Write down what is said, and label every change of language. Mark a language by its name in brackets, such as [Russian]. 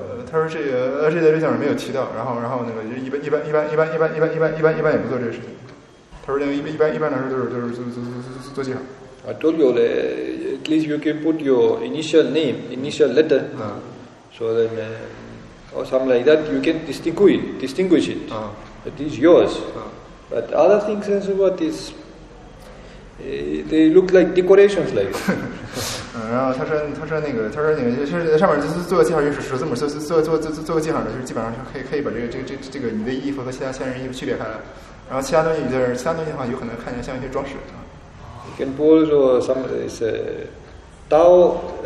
[Chinese] 他说这点上没有提到，然后那个一般也不做这个事情。他说那个一般来说都是做记号。 [English] I told you that at least you can put your initial name, initial letter. So then, or something like that, you can distinguish it. That is yours. But other things as what is. They look like decorations, like. [Chinese] 然后他说那个，就是上面就是做个记号，就是识字母，做个记号的，就是基本上是可以把这个你的衣服和其他人衣服区别开来，然后其他东西的话，有可能看起来像一些装饰。 [English] You can pull also some of this Tao,